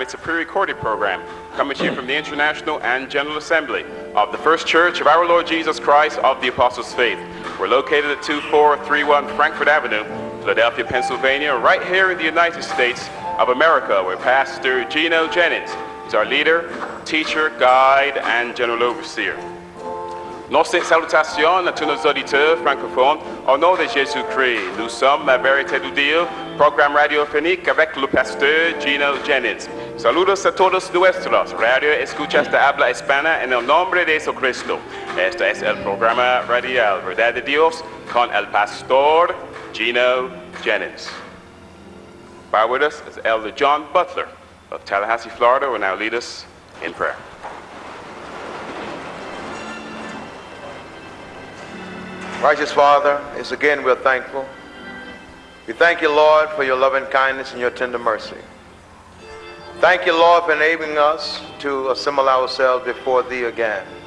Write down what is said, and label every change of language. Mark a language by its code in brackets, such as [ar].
[en] It's a pre-recorded program coming to you from the International and General Assembly of the First Church of Our Lord Jesus Christ of the Apostles' Faith. We're located at 2431 Frankfort Avenue, Philadelphia, Pennsylvania, right here in the United States of America, where Pastor Gino Jennings is our leader, teacher, guide, and general overseer. [fr] Nostre salutation à tous nos auditeurs francophones au nom de Jésus-Christ. Nous sommes la vérité de Dieu, programme radiophonique avec le pasteur Gino Jennings. [es] Saludos a todos nuestros. Radio escuchas de habla hispana en el nombre de Jesucristo. Este es el programa radial Verdad de Dios con el pastor Gino Jennings. [en] By with us is Elder John Butler of Tallahassee, Florida, who will now lead us in prayer. Righteous Father, as again we're thankful. We thank you, Lord, for your loving kindness and your tender mercy. Thank you, Lord, for enabling us to assemble ourselves before thee again.